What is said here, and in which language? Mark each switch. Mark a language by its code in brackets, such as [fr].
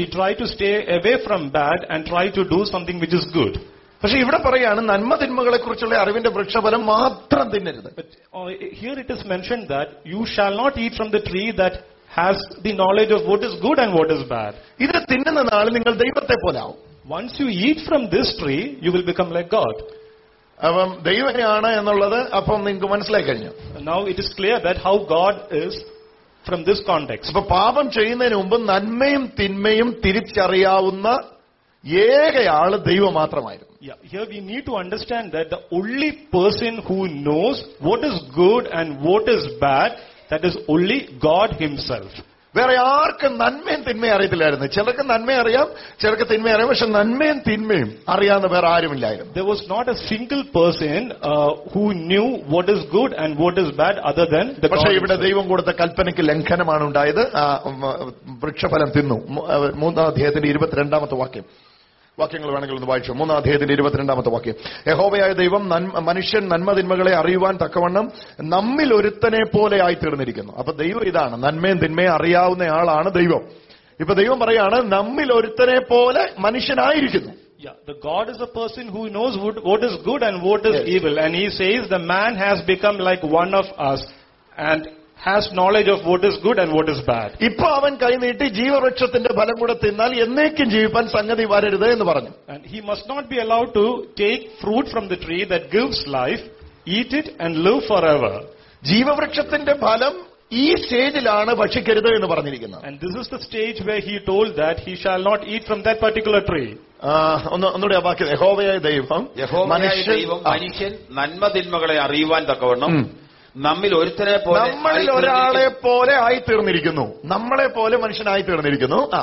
[en] We try to stay away from bad and try to do something which is good. [ml] പക്ഷെ ഇവിടെ പറയാണ് നന്മ തിന്മകളെ കുറിച്ചുള്ള അറിവിന്റെ വൃക്ഷഫലം മാത്രം തിന്നരുത്. [en] Here it is mentioned that you shall not eat from the tree that has the knowledge of what is good and what is bad. [ml] ഇത് തിന്നുന്ന നാളിൽ നിങ്ങൾ ദൈവത്തെ പോലെ ആവും. [en] Once you eat from this tree, you will become like God. [ml] അപ്പം ദൈവനെയാണ് എന്നുള്ളത് അപ്പം നിങ്ങൾക്ക് മനസ്സിലായി കഴിഞ്ഞു. [en] Now it is clear that how God is from this context. [ml] അപ്പൊ പാപം ചെയ്യുന്നതിന് മുമ്പ് നന്മയും തിന്മയും തിരിച്ചറിയാവുന്ന ഏകയാള് ദൈവം മാത്രമായിരുന്നു. [en] Here we need to understand that the only person who knows what is good and what is bad, that is only God himself. [ml] വേറെ ആർക്കും നന്മയും തിന്മയും അറിയത്തില്ലായിരുന്നു. ചിലർക്ക് നന്മയും അറിയാം, ചിലർക്ക് തിന്മയും അറിയാം, പക്ഷെ നന്മയും തിന്മയും അറിയാവുന്ന വേറെ ആരുമില്ലായിരുന്നു. [en] There was not a single person who knew what is good and what is bad other than the [ml] God. പക്ഷെ ഇവിടെ ദൈവം കൊടുത്ത കൽപ്പനയ്ക്ക് ലംഘനമാണ് ഉണ്ടായത്. ആ വൃക്ഷഫലം തിന്നു. മൂന്നാം അധ്യായത്തിന്റെ 22-ാമത്തെ വാക്യം, വാക്യങ്ങൾ വേണമെങ്കിൽ ഒന്ന് വായിച്ചു. മൂന്നാം അധ്യായത്തിന്റെ 22-ാമത്തെ വാക്യം, യഹോവയായ ദൈവം മനുഷ്യൻ നന്മതിന്മകളെ അറിയുവാൻ തക്കവണ്ണം നമ്മിൽ ഒരുത്തനെ പോലെ ആയി തീർന്നിരിക്കുന്നു. അപ്പൊ ദൈവം ഇതാണ്, നന്മയും തിന്മയും അറിയാവുന്ന ആളാണ് ദൈവം. ഇപ്പൊ ദൈവം പറയാണ് നമ്മിൽ ഒരുത്തനെ പോലെ മനുഷ്യനായിരിക്കുന്നു. [en] The God is a person who knows what is good and what is evil, and he says the man has become like one of us and has knowledge of what is good and what is bad. [ml] ഇപ്പോ അവൻ കൈ നീട്ടി ജീവവൃക്ഷത്തിന്റെ ഫലം കൂടെ തിന്നാൽ എന്നേക്കും ജീവിപ്പാൻ സംഗതി വരരുത് എന്ന് പറഞ്ഞു. [en] And he must not be allowed to take fruit from the tree that gives life, eat it and live forever. [ml] ജീവവൃക്ഷത്തിന്റെ ഫലം ഈ സ്റ്റേജിലാണ് ഭക്ഷിക്കരുത് എന്ന് പറഞ്ഞിരിക്കുന്നു. [en] And this is the stage where he told that he shall not eat from that particular tree. [ml] ഒന്നുകൂടെ ബാക്കി, യഹോവയായ ദൈവം മനുഷ്യൻ നന്മതിന്മകളെ അറിയുവാൻ തക്കവണ്ണം നമ്മിൽ ഒരുത്തനെ പോലെ, നമ്മളിൽ ഒരാളെ പോലെ ആയി തീർന്നിരിക്കുന്നു. നമ്മളെ പോലെ മനുഷ്യനായി തീർന്നിരിക്കുന്നു.